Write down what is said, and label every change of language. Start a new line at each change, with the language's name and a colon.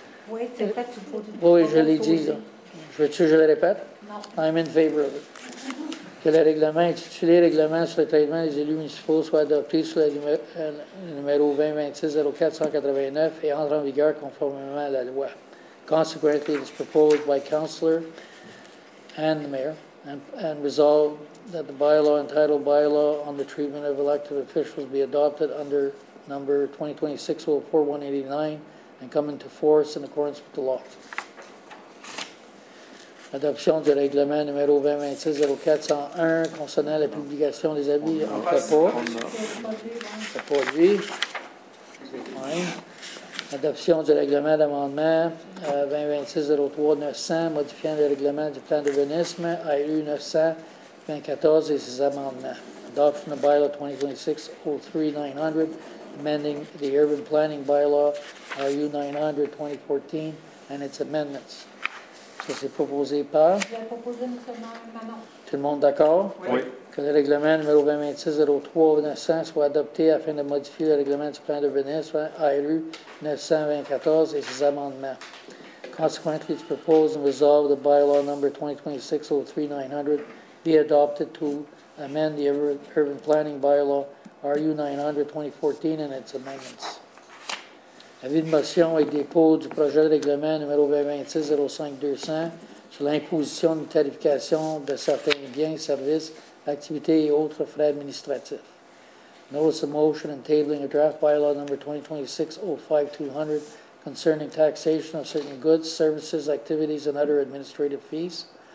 French: Oui, c'est fait, tu le poses. Oui, je l'ai dit. Je veux-tu que je le répète? Non.
English: I'm in favor of it.
French: Que le règlement intitulé Règlement sur le traitement des élus municipaux soit adopté sur le numéro 2026-04-189 et entre en vigueur conformément à la loi.
English: Consequently, it is proposed by Councillor and the Mayor and resolved that the bylaw entitled Bylaw on the Treatment of Elective Officials be adopted under number 2026-04-189 and come into force in accordance with the law.
French: Adoption du règlement numéro 2026-04-101 concernant la publication des avis. On ne fait pas. C'est pas lui. Adoption du règlement d'amendement 2026-03-900 modifiant le règlement du plan d'urbanisme AU 924 et ses amendements.
English: Adoption de bylaw 2026-03-900 amending the urban planning bylaw AU 900-2014 and its amendments.
French: Ça, c'est proposé par? Je l'ai proposé, M. le maire Manon. Tout le monde d'accord? Oui. Que le règlement numéro 2026-03-900 soit adopté afin de modifier le règlement du plan d'urbanisme, ARU 924 et ses amendements.
English: Consequently, it's proposed and resolved the bylaw number 2026-03-900 be adopted to amend the urban planning bylaw RU 900-2014 and its amendments.
French: Avis de motion et dépôt du projet de règlement numéro 2026-05-200 sur l'imposition de tarification de certains biens, services, activités et autres frais administratifs.
English: Notice of motion and tabling a draft bylaw number 2026-05-200 concerning taxation of certain goods, services, activities and other administrative fees.